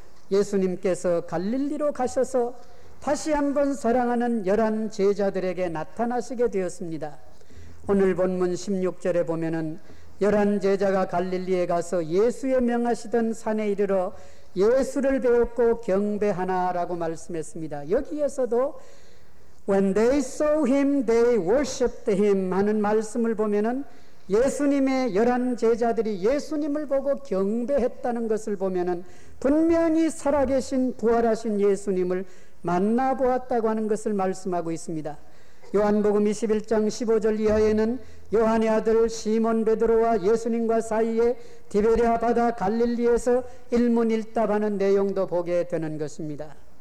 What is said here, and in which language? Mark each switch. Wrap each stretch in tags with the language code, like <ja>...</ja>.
<ko>예수님께서 갈릴리로 가셔서 다시 한번 사랑하는 열한 제자들에게 나타나시게 되었습니다. 오늘 본문 16절에 보면은 열한 제자가 갈릴리에 가서 예수의 명하시던 산에 이르러 예수를 배웠고 경배하나라고 말씀했습니다. 여기에서도</ko> <en>When they saw him, they worshipped him</en> <ko>하는 말씀을 보면은 예수님의 열한 제자들이 예수님을 보고 경배했다는 것을 보면은 분명히 살아계신 부활하신 예수님을 만나보았다고 하는 것을 말씀하고 있습니다. 요한복음 21장 15절 이하에는 요한의 아들 시몬 베드로와 예수님과 사이에 디베리아 바다 갈릴리에서 일문일답하는 내용도 보게 되는 것입니다.</ko>